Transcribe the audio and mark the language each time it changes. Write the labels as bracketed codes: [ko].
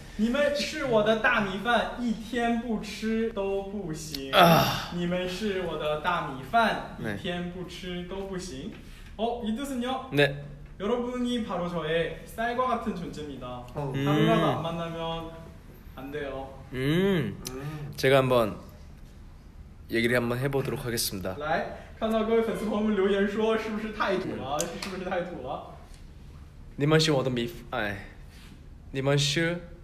[zh] 你们是我的大米饭，一天不吃都不行。你们是我的大米饭，一天不吃都不行。 [ko] 어, 이 뜻은요? 네. 여러분이 바로 저의 쌀과 같은 존재입니다. 하루라도 안 만나면 안 돼요. 제가 한번 얘기를 한번 해보도록 하겠습니다. [zh] 来, 看到各位粉丝朋友们留言说是不是太土了？是不是太土了？你们是我的米饭，你们是。